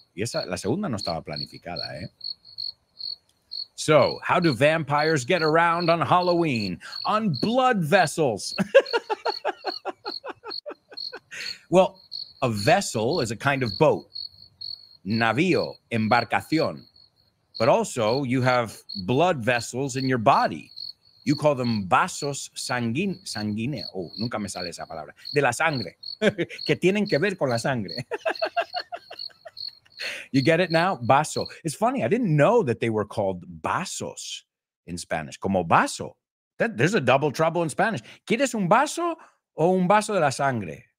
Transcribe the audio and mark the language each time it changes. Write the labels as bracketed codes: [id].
[es] Y esa, la segunda no estaba planificada, ¿eh? [en] So, how do vampires get around on Halloween? On blood vessels. Well, a vessel is a kind of boat. [es] Navío, embarcación. [en] But also, you have blood vessels in your body. You call them [es] vasos sanguíneos. Oh, nunca me sale esa palabra. De la sangre. Que tienen que ver con la sangre. [en] You get it now? Vaso. It's funny. I didn't know that they were called vasos in Spanish. [es] Como vaso. [en] There's a double trouble in Spanish. [es] ¿Quieres un vaso o un vaso de la sangre?